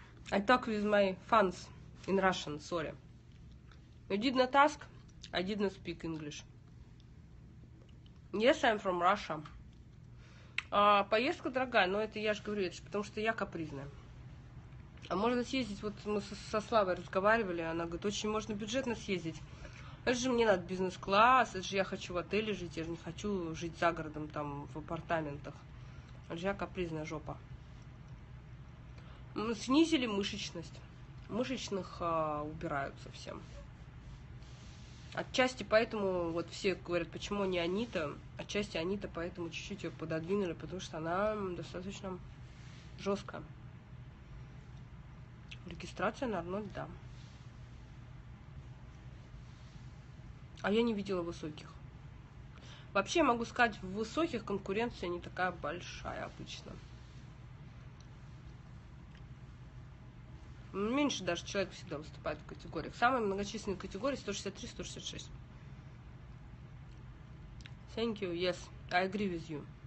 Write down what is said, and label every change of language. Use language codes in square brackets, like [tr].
[en] I talk with my fans in Russian, sorry. You did not ask, I did not speak English. Yes, I'm from Russia. [ru] Поездка дорогая, но это я же говорю, это же потому что я капризная. А можно съездить, вот мы со Славой разговаривали, она говорит, очень можно бюджетно съездить. Это же мне надо бизнес-класс, это же я хочу в отеле жить, я же не хочу жить за городом, там, в апартаментах. Это же я капризная жопа. Мы снизили мышечность. Мышечных убираются всем. Отчасти поэтому, вот все говорят, почему не Анита, отчасти Анита поэтому чуть-чуть ее пододвинули, потому что она достаточно жесткая. Регистрация на Арнольд, да. А я не видела высоких. Вообще, я могу сказать, в высоких конкуренция не такая большая обычно. Меньше даже человек всегда выступает в категориях. Самые многочисленные категории 163-166. [en] Thank you, yes, I agree with you.